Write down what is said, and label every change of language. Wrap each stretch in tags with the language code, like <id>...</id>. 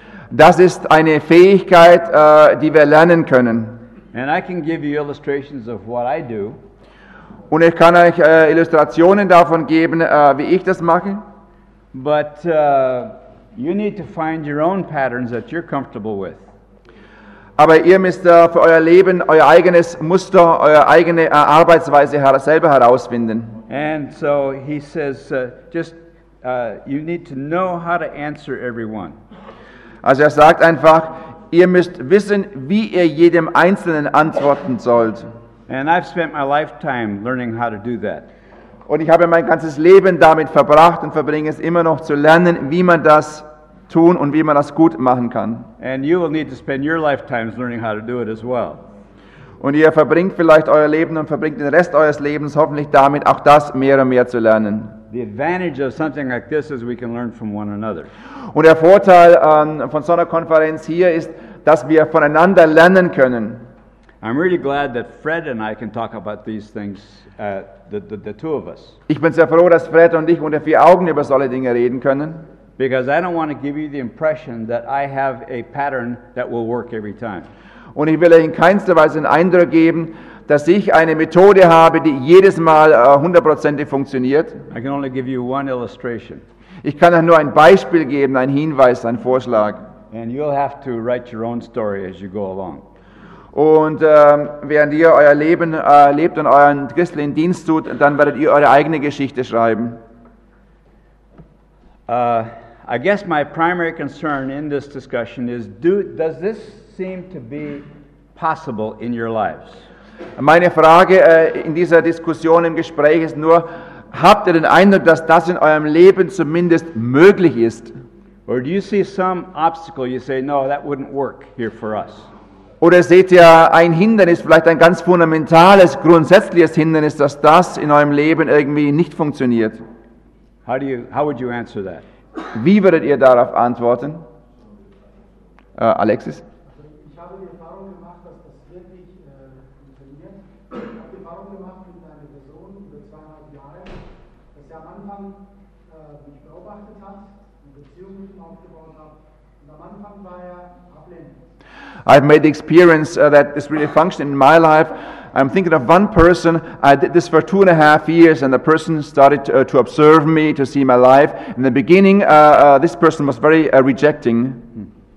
<de>Das ist eine Fähigkeit, die wir lernen können.</de> <en>And I can give you illustrations of what I do.</en> <de>Und ich kann euch Illustrationen davon geben, wie ich das mache.</de> <en>But you need to find your own patterns that you're comfortable with.</en> <de>Aber ihr müsst für euer Leben euer eigenes Muster, eure eigene Arbeitsweise selber herausfinden.</de> <en>And so he says, you need to know how to answer everyone.</en> <de>Also sagt einfach, ihr müsst wissen, wie ihr jedem Einzelnen antworten sollt.</de> <en>And I've spent my lifetime learning how to do that.</en> <de>Und ich habe mein ganzes Leben damit verbracht und verbringe es immer noch zu lernen, wie man das tun und wie man das gut machen kann.</de> <en>And you will need to spend your lifetimes learning how to do it as well.</en> <de>Und ihr verbringt vielleicht euer Leben und verbringt den Rest eures Lebens hoffentlich damit, auch das mehr und mehr zu lernen.</de> <en>The advantage of something like this is we can learn from one another.</en> <de>Und der Vorteil von so einer Konferenz hier ist, dass wir voneinander lernen können.</de> <en>I'm really glad that Fred and I can talk about these things. The two of us.</en> <de>Ich bin sehr froh, dass Fred und ich unter vier Augen über solche Dinge reden können.</de> <en>Because I don't want to give you the impression that I have a pattern that will work every time.</en> <de>Und ich will euch in keinster Weise den Eindruck geben, dass ich eine Methode habe, die jedes Mal hundertprozentig funktioniert.</de> <en>I can only give you one illustration.</en> <de>Ich kann euch nur ein Beispiel geben, einen Hinweis, einen Vorschlag.</de> <en>And you'll have to write your own story as you go along.</en> <de>Und während ihr euer Leben lebt und euren christlichen Dienst tut, dann werdet ihr eure eigene Geschichte schreiben.</de> <en>I guess my primary concern in this discussion is, does this seem to be possible in your lives?</en> <de>Meine Frage in dieser Diskussion, im Gespräch ist nur, habt ihr den Eindruck, dass das in eurem Leben zumindest möglich ist?</de> <en>Or do you see some obstacle, you say, no, that wouldn't work here for us?</en> <de>Oder seht ihr ein Hindernis, vielleicht ein ganz fundamentales, grundsätzliches Hindernis, dass das in eurem Leben irgendwie nicht funktioniert?</de> <en>How would you answer that?</en> <de>Wie würdet ihr darauf antworten? Alexis? Ich habe die Erfahrung gemacht, dass das wirklich funktioniert. Ich habe die Erfahrung gemacht mit einer Person über 2,5 Jahre, dass sie am Anfang mich beobachtet hat, eine Beziehung mit ihm aufgebaut hat. Und am Anfang war ablehnend.</de> <en>I've made the experience that this really functioned in my life. I'm thinking of one person. I did this for 2.5 years, and the person started to observe me, to see my life. In the beginning, this person was very rejecting.</en>